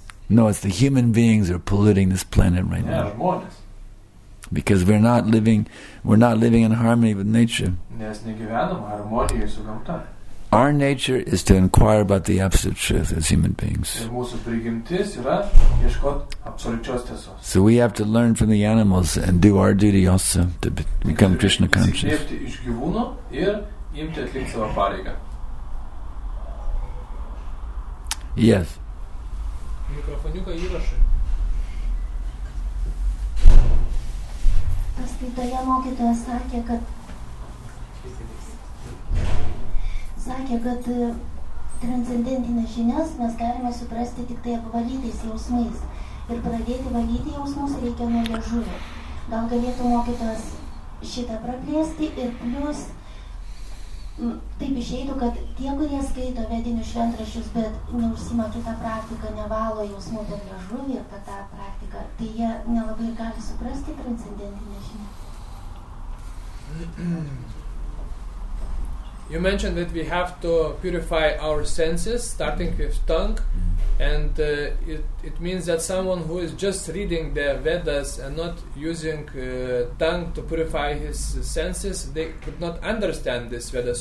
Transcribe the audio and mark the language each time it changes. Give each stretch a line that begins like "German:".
English: No, it's the human beings are polluting this planet right now.
Lithuanian: Žmonės.
English: Because we're not living in harmony with nature.
Lithuanian: Nes negyvenama harmonijoje su gamta.
English: Our nature is to inquire about the absolute truth as human beings.
Lithuanian: Mūsų prigimtis yra ieškot absoliučios tiesos.
English: So we have to learn from the animals and do our duty also to become Krishna conscious.
Lithuanian: Įsikvėpti iš gyvūno ir imti atlikti savo pareigą.
English: Yes.
Lithuanian: Mikrofoniuką įrašai. Paskaitoje mokytojas sakė, kad transcendentinės žinias mes galime suprasti tik tai apvalytais jausmais. Ir pradėti valyti jausmus reikia nuo liežuvio. Gal galėtų mokytojas šitą praplėsti ir plus taip išeitų, kad tie, kurie skaito vedinius šventraščius, bet neužsima kitą praktiką, nevalo jausmų per liežuvį ir per tą praktiką, tai jie nelabai gali suprasti transcendentinę žinią.
English: You mentioned that we have to purify our senses, starting with tongue, and it means that someone who is just reading the Vedas and not using tongue to purify his senses, they could not understand this Veda.